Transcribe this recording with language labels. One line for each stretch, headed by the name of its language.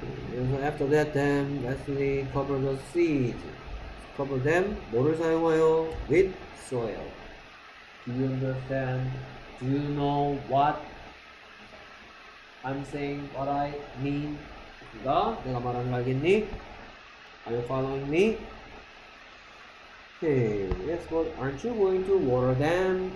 English: 그래서 after that, then, lastly, cover the seed. cover them,
Korean: 뭐를 사용하여?
English: with soil. Do you understand? Do you know what I'm saying, what I mean?
Korean: 그니까, 내가 말하는 거 알겠니?
English: Are you following me? Okay, yes, but aren't you going to water them?